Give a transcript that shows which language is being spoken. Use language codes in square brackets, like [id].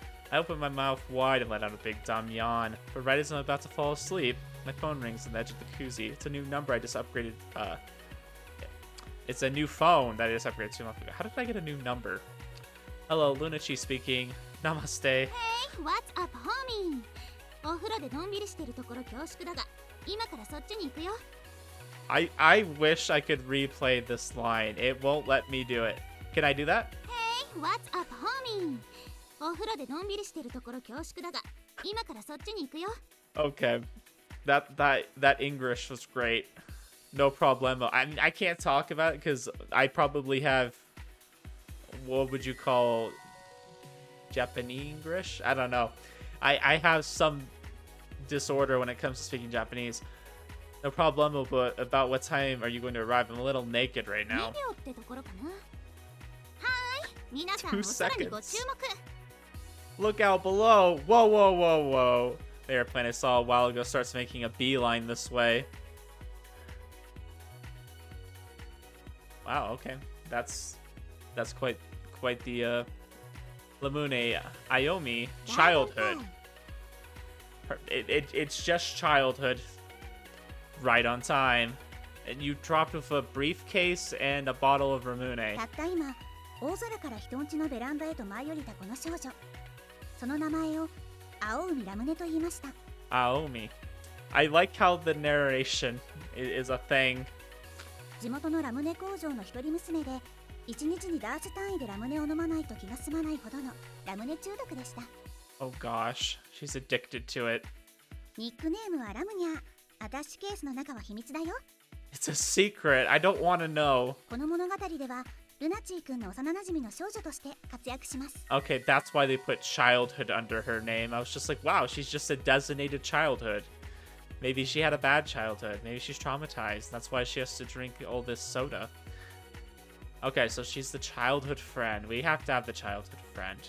[en] I open my mouth wide and let out a big dumb yawn, but right as I'm about to fall asleep, my phone rings on the edge of the jacuzzi. It's a new number I just upgraded, it's a new phone that I just upgraded 2 months ago. How did I get a new number? Hello, Lunachi speaking. Namaste. Hey, what's up, homie? [ja] お風呂でのんびりしてるところ恐縮だが、今からそっちに行くよ。 [en] I wish I could replay this line. It won't let me do it. Can I do that? Hey, what's up, homie? [ja] お風呂でのんびりしてるところ恐縮だが、今からそっちに行くよ。 [en] Okay. That English was great. No problemo. I mean, I can't talk about it because I probably have... What would you call... Japanese English? I don't know. I have some disorder when it comes to speaking Japanese. No problemo, but about what time are you going to arrive? I'm a little naked right now. [ja] 2秒ってところかな。はーい。皆さんお空にご注目。 [en] Look out below! Whoa, whoa, whoa, whoa! The airplane I saw a while ago starts making a beeline this way. Wow, okay. That's quite the, Lamune Ayomi childhood. It's just childhood. Right on time. And you dropped with a briefcase and a bottle of Ramune. [ja] たった今、大空から人んちのベランダへと舞い降りたこの少女。その名前を青海ラムネと言いました。青海。 [en] I like how the narration is a thing. [ja] 地元のラムネ工場の一人娘で、一日にダース単位でラムネを飲まないと気が済まないほどのラムネ中毒でした。 [en] Oh gosh, she's addicted to it. [ja] ニックネームはラムニャ。アタッシュケースの中は秘密だよ。 [en] It's a secret. I don't want to know. [ja] この物語では、ルナチー君の幼馴染の少女として活躍します。 [en] Okay, that's why they put childhood under her name. I was just like, wow, she's just a designated childhood. Maybe she had a bad childhood. Maybe she's traumatized. That's why she has to drink all this soda. Okay, so she's the childhood friend. We have to have the childhood friend.